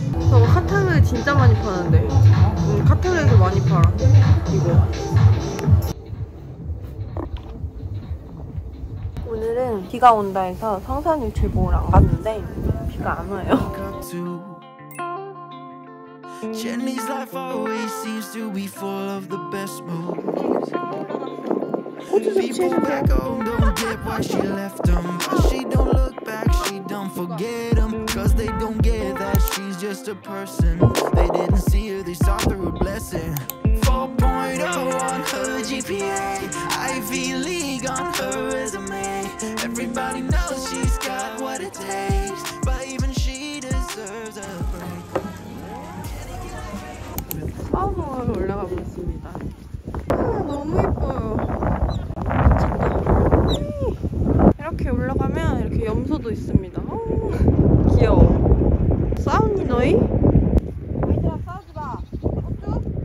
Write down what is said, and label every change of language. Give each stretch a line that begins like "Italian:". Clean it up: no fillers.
Korean: 저 카트를 진짜 많이 파는데. 카트에서 많이 팔아. 이거. 오늘은 비가 온다 해서 성산을 제공을 안 갔는데 비가 안 와요.
English: Jenny's life always seems to be full of the best moves. People back home don't get why she left them. But she don't look back, she don't forget them. Cause they don't get that she's just a person. They didn't see her, they saw through a blessing. 4.0 on her GPA. Ivy League on her resume. Everybody knows she's got what it takes. But even she deserves a break.
Korean: 파워공항을 올라가 보겠습니다. 너무 예뻐요. 이렇게 올라가면 이렇게 염소도 있습니다. 오, 귀여워. 싸우니 너희? 얘들아 싸우지 마. 어쩌?